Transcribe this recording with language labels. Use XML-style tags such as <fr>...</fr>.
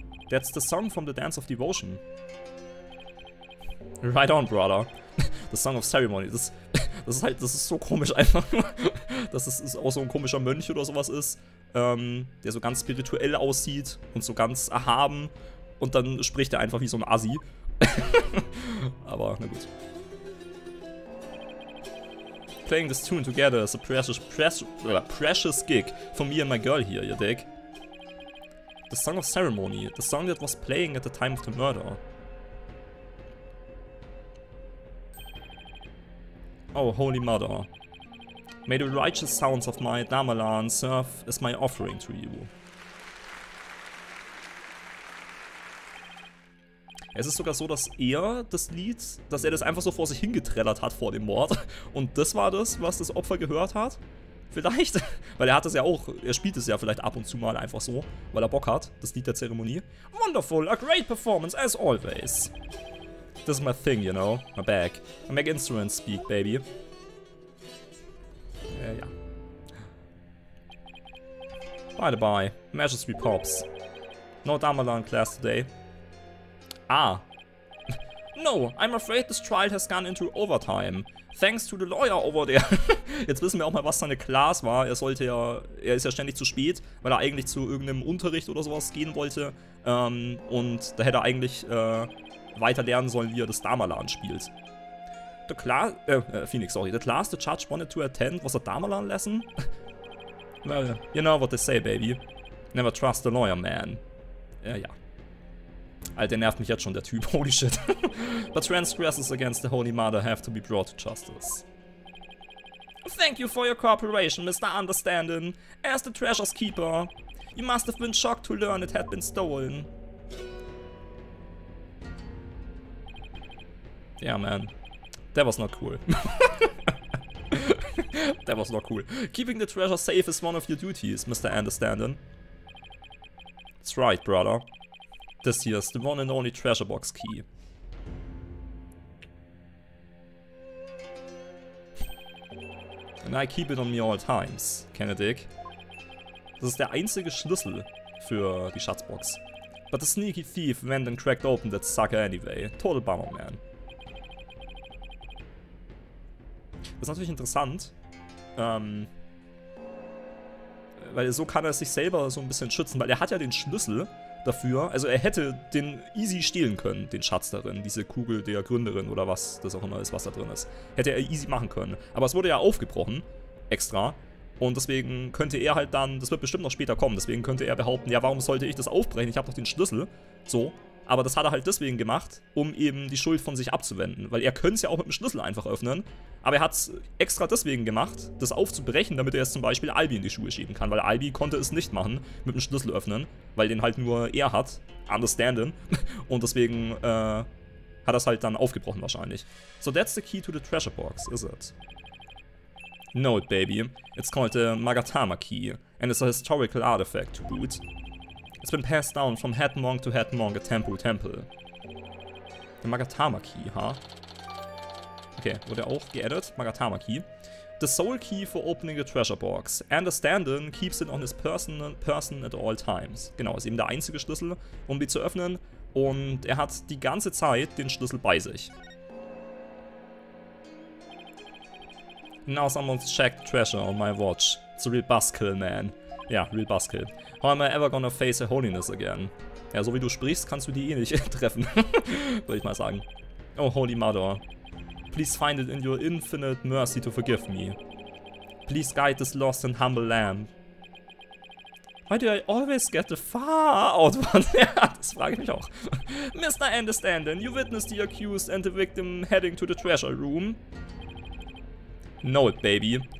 <en>That's the song from the Dance of Devotion. Right on, brother. The Song of Ceremony.</en> <de>Das ist halt, das ist so komisch einfach. Dass es auch so ein komischer Mönch oder sowas ist, der so ganz spirituell aussieht und so ganz erhaben. Und dann spricht er einfach wie so ein Assi. Aber, na gut.</de> <en>Playing this tune together is a precious gig for me and my girl here, you dick. The Song of Ceremony, the song that was playing at the time of the murder. Oh, Holy Mother. May the righteous sounds of my Damalan serve as my offering to you.</en> <de>Es ist sogar so, dass er das Lied, dass er das einfach so vor sich hingetrellert hat vor dem Mord. Und das war das, was das Opfer gehört hat. Vielleicht, weil er hat es ja auch, er spielt es ja vielleicht ab und zu mal einfach so, weil er Bock hat, das Lied der Zeremonie.</de> <en>Wonderful, a great performance as always. This is my thing, you know, my bag. I make instruments speak, baby.</en> <de>Ja.</de> <en>By the by, Majesty Pops. No Damalan class today. Ah. No, I'm afraid this trial has gone into overtime. Thanks to the lawyer over there.</en> <de>Jetzt wissen wir auch mal, was seine Class war. Er ist ja ständig zu spät, weil er eigentlich zu irgendeinem Unterricht oder sowas gehen wollte. Und da hätte er eigentlich weiter lernen sollen, wie er das Damalan spielt.</de> <en>The class, Phoenix, sorry. The class the judge wanted to attend was a Damalan lesson? Well, you know what they say, baby. Never trust a lawyer, man. Ja.</en> <de>Alter, der nervt mich jetzt schon, der Typ.</de> <en>Holy shit. But transgressors against the Holy Mother have to be brought to justice. Thank you for your cooperation, Mr. Understanding. As the treasure's keeper, you must have been shocked to learn it had been stolen. Yeah, man. That was not cool. That was not cool. Keeping the treasure safe is one of your duties, Mr. Understanding. That's right, brother. This here is the one and only treasure box key. And I keep it on me all times, Kennedy.</en> <de>Das ist der einzige Schlüssel für die Schatzbox.</de> <en>But the sneaky thief went and cracked open that sucker anyway. Total bummer, man.</en> <de>Das ist natürlich interessant, weil so kann er sich selber so ein bisschen schützen, weil er hat ja den Schlüssel dafür, also er hätte den easy stehlen können, den Schatz darin, diese Kugel der Gründerin oder was das auch immer ist, was da drin ist. Hätte er easy machen können, aber es wurde ja aufgebrochen, extra, und deswegen könnte er halt dann, das wird bestimmt noch später kommen, deswegen könnte er behaupten, ja warum sollte ich das aufbrechen, ich habe doch den Schlüssel, so. Aber das hat er halt deswegen gemacht, um eben die Schuld von sich abzuwenden. Weil er könnte es ja auch mit dem Schlüssel einfach öffnen. Aber er hat es extra deswegen gemacht, das aufzubrechen, damit er es zum Beispiel Albi in die Schuhe schieben kann. Weil Albi konnte es nicht machen, mit dem Schlüssel öffnen. Weil den halt nur er hat. Understanding. Und deswegen hat er es halt dann aufgebrochen wahrscheinlich.</de> <en>So that's the key to the treasure box, is it? No, baby. It's called the Magatama key. And it's a historical artifact to boot. It's been passed down from head monk to head monk at Temple Temple. The Magatama Key, huh?</en> <de>Okay, wurde auch geedit.</de> <en>Magatama Key. The soul key for opening the treasure box. Understanding keeps it on his person at all times.</en> <de>Genau, ist eben der einzige Schlüssel, um die zu öffnen. Und er hat die ganze Zeit den Schlüssel bei sich.</de> <en>Now someone's checked treasure on my watch. It's a real buzzkill, man. Ja, real buzzkill. How am I ever gonna face a holiness again?</en> <de>Ja, so wie du sprichst, kannst du die eh nicht treffen. Würde ich mal sagen.</de> <en>Oh, holy mother. Please find it in your infinite mercy to forgive me. Please guide this lost and humble lamb. Why do I always get the far out one? Ja, das frage ich mich auch. Mr. Understanding, you witnessed the accused and the victim heading to the treasure room. Know it, baby.</en>